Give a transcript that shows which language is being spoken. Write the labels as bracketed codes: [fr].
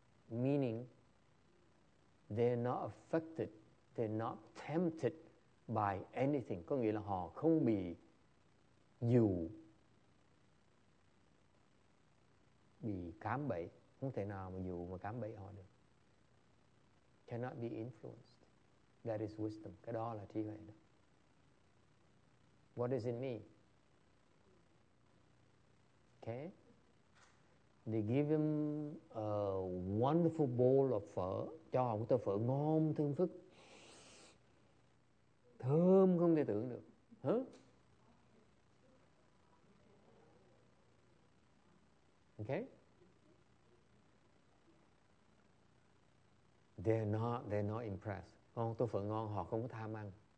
[en] Meaning, they're not affected, they're not tempted by anything. [vi] Có nghĩa là họ không bị dụ, bị cám bẫy. Không thể nào mà dụ mà cám bẫy họ được. [en] Cannot be influenced. That is wisdom. [vi] Cái đó là trí huệ đó. [en] What does it mean? Okay. They give him a wonderful bowl of phở. [vi] Cho họ một tô phở ngon thơm phức. Thơm không thể tưởng được. [en] Okay. They're not impressed. [vi] Ngon tô phở ngon, họ không có tham ăn.